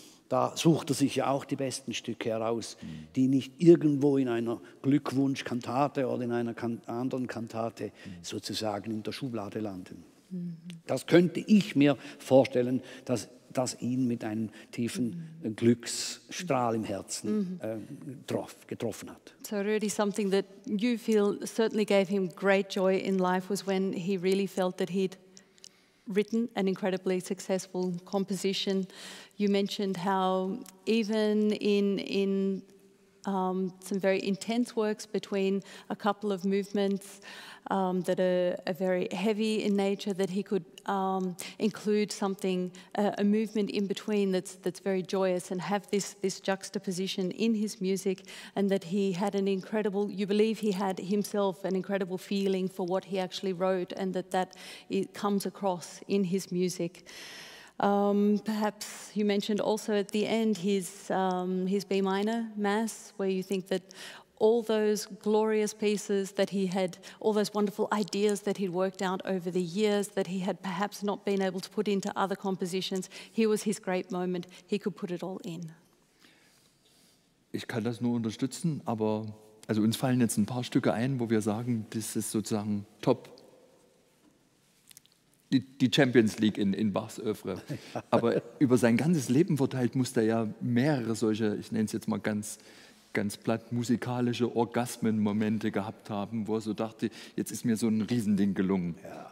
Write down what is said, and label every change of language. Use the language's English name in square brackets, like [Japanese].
[German] Da sucht er sich ja auch die besten Stücke heraus, die nicht irgendwo in einer Glückwunschkantate oder in einer anderen Kantate sozusagen in der Schublade landen. Das könnte ich mir vorstellen, dass das ihn mit einem tiefen Glücksstrahl im Herzen getroffen hat. [English] So really something that you feel certainly gave him great joy in life was when he really felt that he'd written an incredibly successful composition. You mentioned how even in some very intense works between a couple of movements that are very heavy in nature, that he could include something, a movement in between that's very joyous and have this juxtaposition in his music, and that he had an incredible, you believe he had himself an incredible feeling for what he actually wrote, and that it comes across in his music. Perhaps you mentioned also at the end his B minor mass, where you think that all those glorious pieces that he had, all those wonderful ideas that he'd worked out over the years that he had perhaps not been able to put into other compositions, here was his great moment, he could put it all in. [German] Ich kann das nur unterstützen, aber also uns fallen jetzt ein paar Stücke ein, wo wir sagen, das ist sozusagen top. Die Champions League in Bachs Oeuvre. Aber über sein ganzes Leben verteilt musste er ja mehrere solche, ich nenne es jetzt mal ganz, ganz platt, musikalische Orgasmen-Momente gehabt haben, wo er so dachte, jetzt ist mir so ein Riesending gelungen. Ja.